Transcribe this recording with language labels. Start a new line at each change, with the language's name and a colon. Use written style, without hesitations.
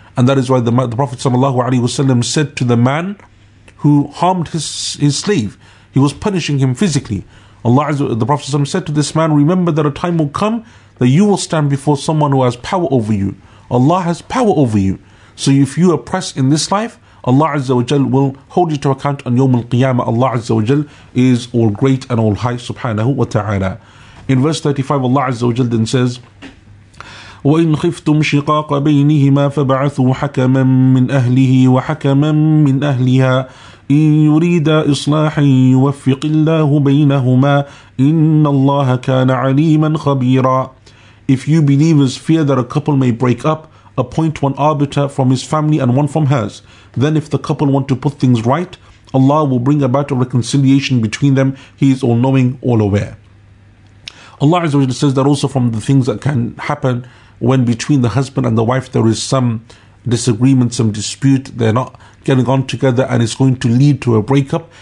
English: And that is why the Prophet Sallallahu Alaihi Wasallam said to the man who harmed his slave, he was punishing him physically. Allah, the Prophet Sallallahu said to this man, remember that a time will come that you will stand before someone who has power over you. Allah has power over you. So if you oppress in this life, Allah Azza wa Jal will hold you to account on Yawm al-Qiyamah. Allah Azza wa Jal is all great and all high, subhanahu wa ta'ala. In verse 35, Allah Azza wa Jal then says,
Arabic: وَإِنْ خِفْتُمْ شِقَاقَ بَيْنِهِمَا فَبَعَثُوا حَكَمًا مِّنْ أَهْلِهِ وَحَكَمًا مِّنْ أَهْلِهَا إِنْ يُرِيدَ إِصْلَاحًا يُوَفِّقِ اللَّهُ بَيْنَهُمَا إِنَّ اللَّهَ كَانَ عَلِيمًا خَبِيرًا.
English: If you believers fear that a couple may break up, appoint one arbiter from his family and one from hers. Then if the couple want to put things right, Allah will bring about a reconciliation between them. He is all-knowing, all-aware. Allah Azza wa Jalla says that also from the things that can happen when between the husband and the wife there is some disagreement, some dispute, they're not getting on together and it's going to lead to a breakup.